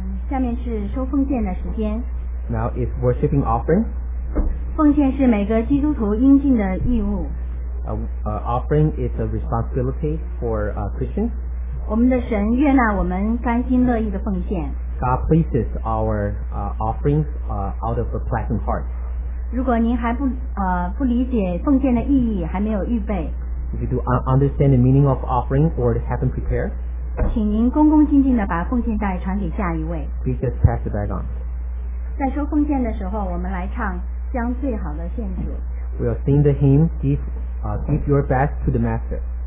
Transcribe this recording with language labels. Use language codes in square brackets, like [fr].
[en] Now is worshiping offering. [zh] 奉献是每个基督徒应尽的义务。 [en] Offering is a responsibility for Christians. [zh] 我们的神悦纳我们甘心乐意的奉献。 [en] God pleases our offerings out of a pleasant heart. [zh] 如果您还不理解奉献的意义，还没有预备。 [en] If you do understand the meaning of offering or haven't prepared. [zh] 请您恭恭敬敬地把奉献袋传给下一位。 [en] We just pass it back on. [zh] 在收奉献的时候，我们来唱将最好的献主。 [en] We will sing the hymn, give your best to the master.